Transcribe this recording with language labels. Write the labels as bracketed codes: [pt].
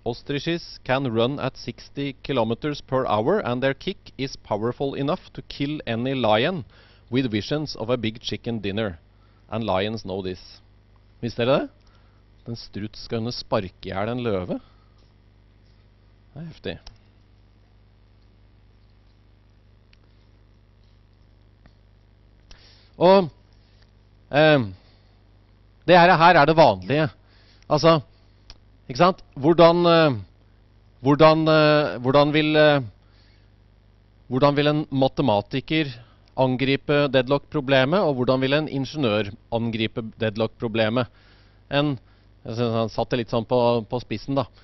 [en] Ostriches can run at 60 kilometers per hour, and their kick is powerful enough to kill any lion with visions of a big chicken dinner. And lions know this. [no] Visste dere det? Den struts skal kunne sparke ihjel en løve. Det er heftig. Og det her er det vanlige. Altså, ikke sant? Hvordan vil en matematiker angripe deadlock-problemet, og hvordan vil en ingeniør angripe deadlock-problemet? Han satte litt sånn på spissen da.